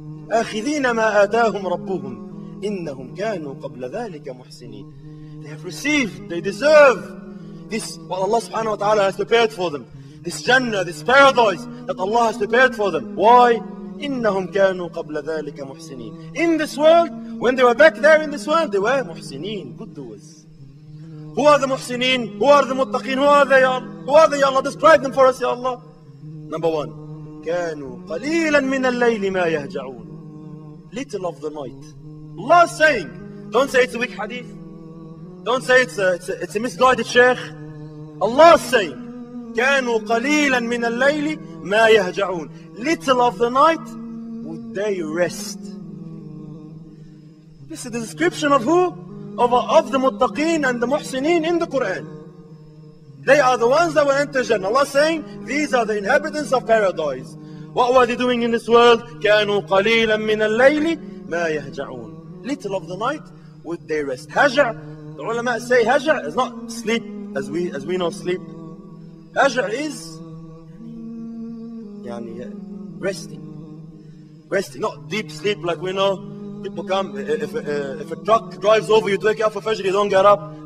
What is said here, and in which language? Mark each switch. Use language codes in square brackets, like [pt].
[ar] آخذين ما آتاهم ربهم إنهم كانوا قبل ذلك محسنين. [en] They have received, they deserve this, what Allah subhanahu wa ta'ala has prepared for them. This Jannah, this paradise that Allah has prepared for them. Why? [ar] إنهم كانوا قبل ذلك محسنين. [en] In this world, when they were back there in this world, they were محسنين, good doers. Who are the محسنين? Who are the متقين? Who are they, who are they, Ya Allah? Describe them for us, Ya Allah. Number one, [ar] كانوا قليلا من الليل ما يهجعون. [en] Little of the night. Allah is saying, don't say it's a weak hadith. Don't say it's a misguided sheikh. Allah is saying, [ar] كانوا قليلا من الليل ما يهجعون. [en] Little of the night, would they rest? This is the description of who? Of the muttaqeen and the muhsineen in the Quran. They are the ones that will enter Jannah. Allah is saying, these are the inhabitants of paradise. What were they doing in this world? [ar] كانوا قليلا من الليل ما يهجعون. [en] Little of the night, would they rest? هجع. The ulama say هجع is not sleep as we know sleep. هجع is [ar] يعني [en] resting. Resting, not deep sleep like we know. People come, if a truck drives over, you wake up for fajr, you don't get up.